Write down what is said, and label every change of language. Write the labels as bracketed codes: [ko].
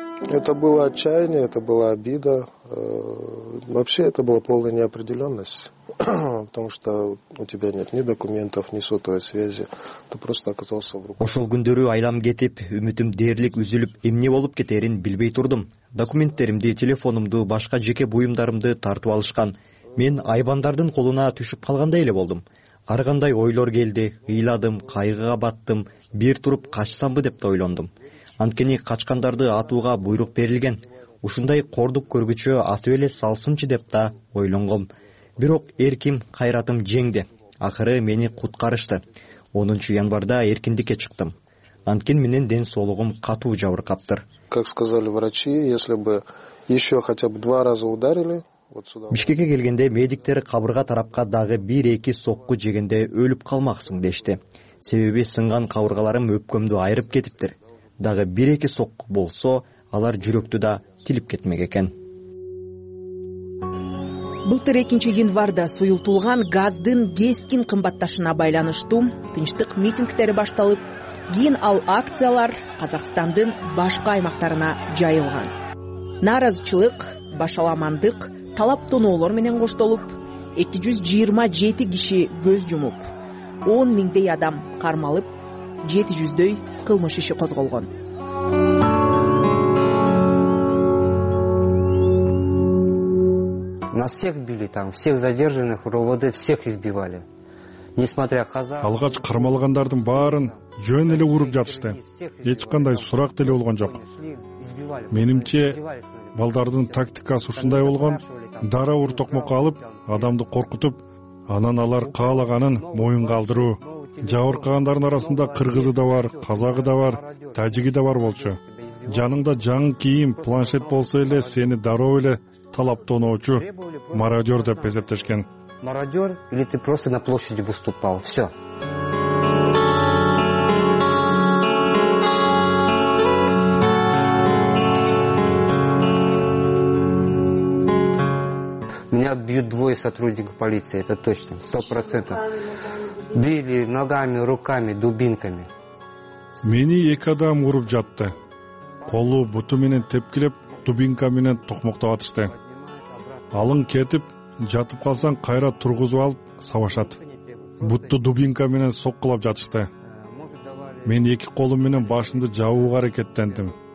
[ru] Это было отчаяние, это была обида. Вообще это была полная неопределенность, потому что у тебя нет ни документов, ни сотовой связи. Ты просто оказался в руках. [ky] Ошол күндөрү айлам кетип, үмүтүм дээрлик үзүлүп, эмне болуп кетерин билбей турдум. Документтеримди, телефонумду, башка жеке буюмдарымды тартып алышкан. Мен айбандардын колуна түшүп калгандай эле болдум. Ар кандай ойлор келди, ыйладым, кайгыга баттым, бир туруп качсамбы деп да ойлондум. Анткени качкандарды атууга буйрук берилген. Ушундай кордук көргүчө атып эле салсынчы деп да ойлонгом. Бирок эркин кайратым жеңди. Акыры мени куткарышты. 10 январда эркиндикке чыктым. Анткен менен ден соолугум катуу жабыркаптыр. [ru] Как сказали врачи, если бы еще хотя бы два раза ударили, вот сюда. [ky] Бишкекке келгенде медиктер кабырга тарапка дагы 1-2 сокку жегенде өлүп калмаксың дешти. Себеби сынган кабыргаларым өпкөмдү айырып кетиптир. Дагы 1-2 сокку болсо, алар жүрөктү да тилип кетмек экен. Былтыр 2 январда суюлтулган газдын кескин кымбатташына байланыштуу тынчтык митингдери башталып, кийин ал акциялар Казакстандын башка аймактарына жайылган. Нааразычылык, башаламандык, талап тоноолор менен коштолуп, 227 киши көз жумуп, 10 миңдей адам кармалып, 700-дөй кылмыш иши козголгон. [ru] Нас всех били там, всех задержанных, РОВД всех избивали. Несмотря казак. [ky] Алгач кармалгандардын баарын жөн эле уруп жатышты. Эч кандай сурак деле болгон жок. Менимче балдардын тактикасы ушундай болгон: дароо уртокмокко алып, адамды коркутуп, анан алар каалаганын моюн калдыруу. Жабыркагандардын арасында кыргызы да бар, казагы да бар, тажиги да бар болчу. Жаныңда жаңы кийим, планшет болсо эле сени дароо эле талап тоноочу мародер деп эсептешкен. [ru] Мародер или ты просто на площади выступал? Все. Меня бьют двое сотрудников полиции, это точно, 100%. Били ногами, руками, дубинками. [ky] Мени эки адам уруп жатты. Колу буту менен тепкилеп, дубинка менен токмоктоп атышты. Алын кетип, жатып калсаң кайра тургузуп алып савашат. Бутту дубинка менен соккулап жатышты. Мен эки колум менен башымды жабууга аракеттендим.